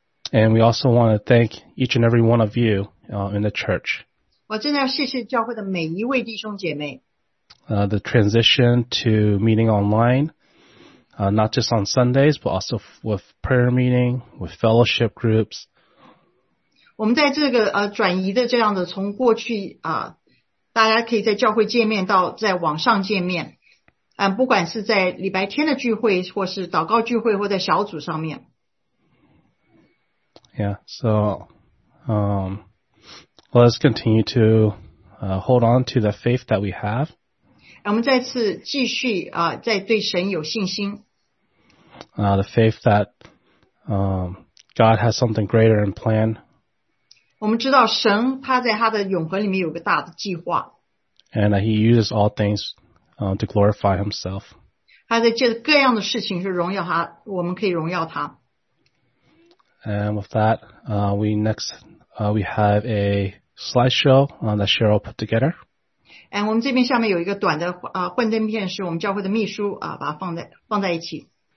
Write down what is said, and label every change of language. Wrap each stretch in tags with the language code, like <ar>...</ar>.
<en>And we also want to thank each and every one of you in the church.</en> <zh>我真的要谢谢教会的每一位弟兄姐妹。</zh> <en>The transition to meeting online, not just on Sundays, but also with prayer meeting, with fellowship groups.</en> <zh>我们在这个转移的这样的从过去大家可以在教会见面到在网上见面不管是在礼拜天的聚会或是祷告聚会或在小组上面。</zh> <en>Yeah, so, Let's continue to hold on to the faith that we have.</en> <zh>我们再次继续在对神有信心。</zh> <en>The faith that God has something greater in plan.</en> <zh>我们知道神他在他的永恒里面有个大的计划。</zh> <en>And he uses all things to glorify himself.</en> <zh>他在借着各样的事情是荣耀他，我们可以荣耀他。</zh> <en>And with that, we have a slideshow that Cheryl put together. And</en> <zh>我们这边下面有一个短的幻灯片，是我们教会的秘书把它放在一起。</zh>